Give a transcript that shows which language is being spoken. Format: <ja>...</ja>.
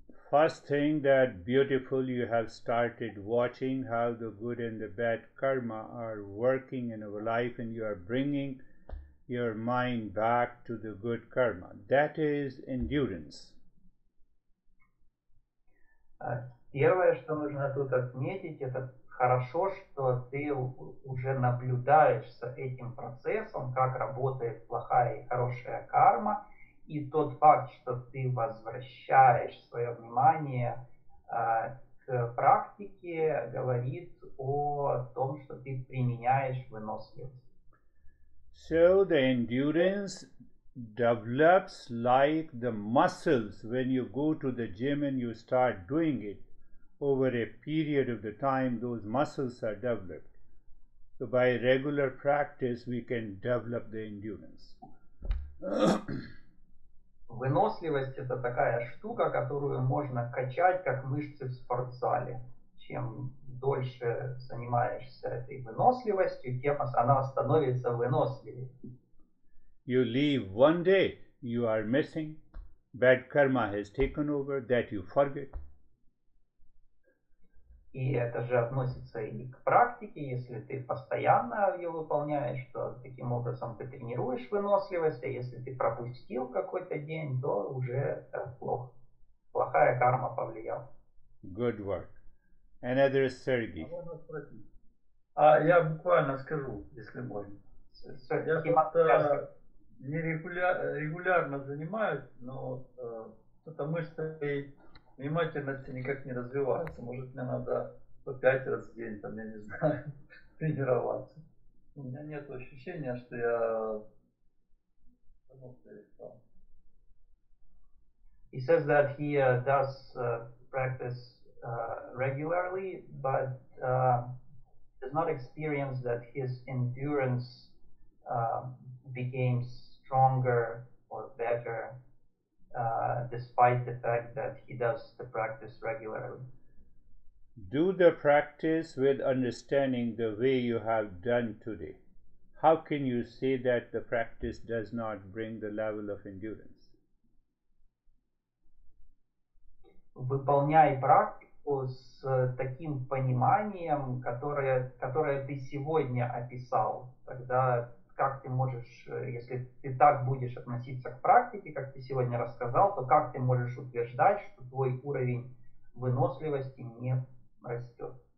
<en>First thing that beautiful, you have started watching how the good and the bad karma are working in our life, and you are bringing your mind back to the good karma. That is endurance.</en> <ru>Первое, что нужно тут отметить, это хорошо, что ты уже наблюдаешь за этим процессом, как работает плохая и хорошая карма, и тот факт, что ты возвращаешь свое внимание к практике, говорит о том, что ты применяешь выносливость.</ru> <en>So the endurance develops like the muscles when you go to the gym and you start doing it. Over a period of the time, those muscles are developed. So by regular practice, we can develop the endurance.</en> <ru>Выносливость — это такая штука, которую можно качать, как мышцы в спортзале. Чем дольше занимаешься этой выносливостью, тем она становится выносливее.</ru> <en>You leave one day, you are missing. Bad karma has taken over, that you forget.</en> <ru>И это же относится и к практике, если ты постоянно ее выполняешь, то таким образом ты тренируешь выносливость, а если ты пропустил какой-то день, то уже плохо. Плохая карма повлияла.</ru> <en>Good work. Another is Sergei.</en> <ru>А я буквально скажу, если можно. Я регулярно занимаюсь, но что-то мышцы... Внимательность никак не развивается. Может, мне надо по 5 раз в день, там, я не знаю, тренироваться. У меня нет ощущения, что я...</ru> <en>He says that he does practice regularly, but does not experience that his endurance became stronger or better. Despite the fact that he does the practice regularly. Do the practice with understanding the way you have done today. How can you say that the practice does not bring the level of endurance?</en> <ru>Выполняй практику с таким пониманием, которое ты сегодня описал, тогда... Как ты можешь, если ты так будешь относиться к практике, как ты сегодня рассказал, то как ты можешь утверждать, что твой уровень выносливости не растет?</ru>